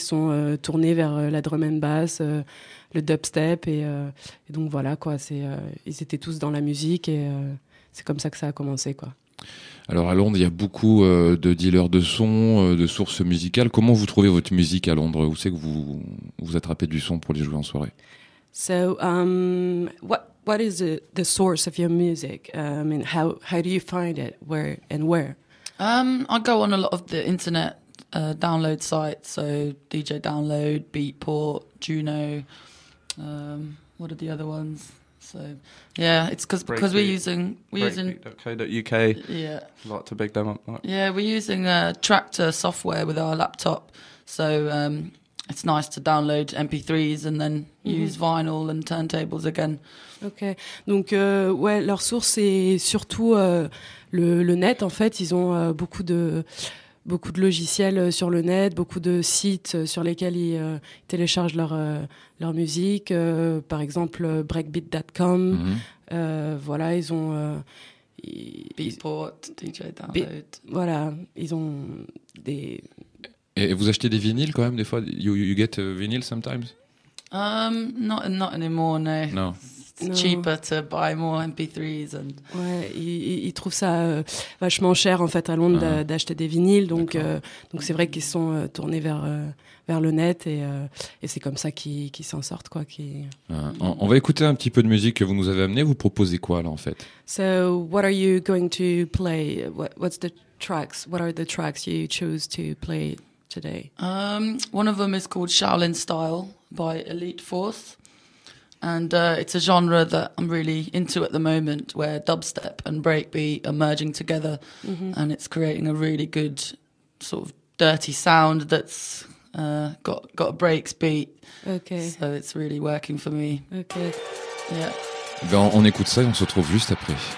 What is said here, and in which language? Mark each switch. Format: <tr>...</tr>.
<fr>Ils sont tournés vers la drum and bass, le dubstep, et donc voilà quoi. Ils étaient tous dans la musique, et c'est comme ça que ça a commencé, quoi. Alors à Londres, il y a beaucoup de dealers de sons, de sources musicales. Comment vous trouvez votre musique à Londres? Où c'est que vous attrapez du son pour les jouer en soirée?</fr> <en>So, what is the source of your music? I mean, how do you find it? Where and where? I go on a lot of the internet download sites, so DJ Download, Beatport, Juno. What are the other ones? So, yeah, it's because we're using breakbeat.co.uk. Yeah, a lot to big them up. Yeah, we're using Traktor software with our laptop, so it's nice to download MP3s and then use vinyl and turntables again.</en> <fr>Okay, donc ouais, leur source est surtout le net. En fait, ils ont beaucoup de logiciels sur le net, beaucoup de sites sur lesquels ils téléchargent leur musique, par exemple breakbeat.com, voilà, ils ont Beatport, DJ Download, voilà, ils ont des... Et vous achetez des vinyles quand même des fois?</fr> <en>You get vinyl sometimes? Not anymore, no. No. It's cheaper to buy more MP3s and...</en> <fr>Ouais, ils trouvent ça vachement cher en fait à Londres d'acheter des vinyles, donc c'est vrai qu'ils sont tournés vers le net, et c'est comme ça qu'ils s'en sortent, quoi. On va écouter un petit peu de musique que vous nous avez amené. Vous proposez quoi là en fait?</fr> <en>So what are you going to play? What's the tracks? What are the tracks you choose to play today? One of them is called Shaolin Style by Elite Force. And it's a genre that I'm really into at the moment, where dubstep and breakbeat are merging together, and it's creating a really good sort of dirty sound that's got a breaks beat. Okay. So it's really working for me. Okay. Yeah.</en> <fr>Ben on écoute ça et on se retrouve juste après.</fr>